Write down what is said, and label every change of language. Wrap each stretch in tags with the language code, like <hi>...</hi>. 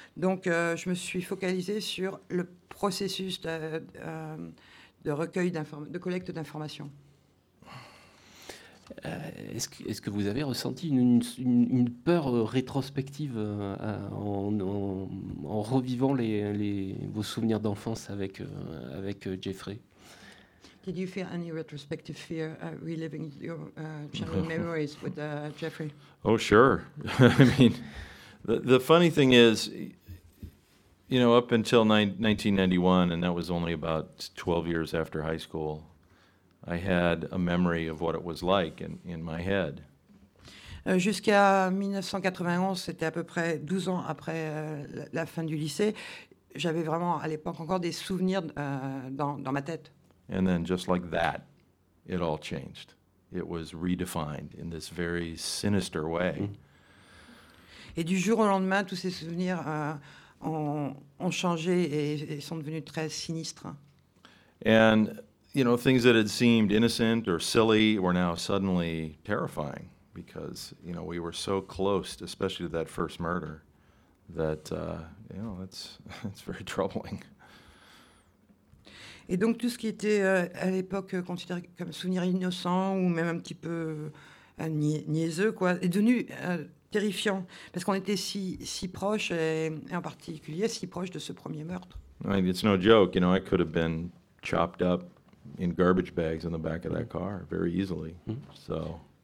<fr>Donc je me suis focalisée sur le processus de recueil de collecte d'informations. Est-ce que vous avez ressenti une peur rétrospective en revivant vos souvenirs d'enfance avec Jeffrey?</fr> <en>Did you feel any retrospective fear reliving your childhood memories with Jeffrey? Oh, sure. I mean, the funny thing is, you know, up until 1991, and that was only about 12 years after high school, I had a memory of what it was like in my head.</en> <fr>Jusqu'à 1991, c'était à peu près 12 ans après la fin du lycée, j'avais vraiment à l'époque encore des souvenirs dans ma tête.</fr> <en>And then just like that, it all changed. It was redefined in this very sinister way.</en> <fr>Et du jour au lendemain, tous ces souvenirs ont changé et sont devenus très sinistres.</fr> <en>And, you know, things that had seemed innocent or silly were now suddenly terrifying because, you know, we were so close, especially to that first murder, that, you know, it's very troubling.</en> <fr>Et donc tout ce qui était à l'époque considéré comme souvenir innocent ou même un petit peu niaiseux, quoi, est devenu terrifiant parce qu'on était si proche et en particulier si proche de ce premier meurtre.</fr> <en>I mean, it's no joke, you know, I could have been chopped up in garbage bags in the back of that car very easily. Mm-hmm. So.</en>